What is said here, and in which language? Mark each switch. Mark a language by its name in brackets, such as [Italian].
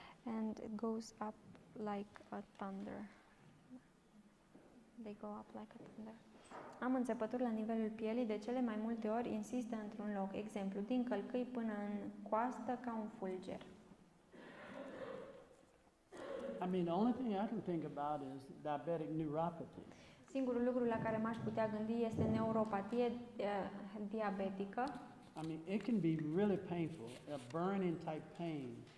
[English] and it goes up like a thunder. They go up like a thunder. [Romanian] Am înțepături la nivelul pielii, de cele mai multe ori insistă într-un loc. Exemplu, din călcâi până în coastă ca un fulger. [English] I mean, the only thing I can think about is diabetic neuropathy. [Romanian] Singurul lucru la care m-aș putea gândi este neuropatie diabetică. [English] I mean, it can be really painful, a burning type pain.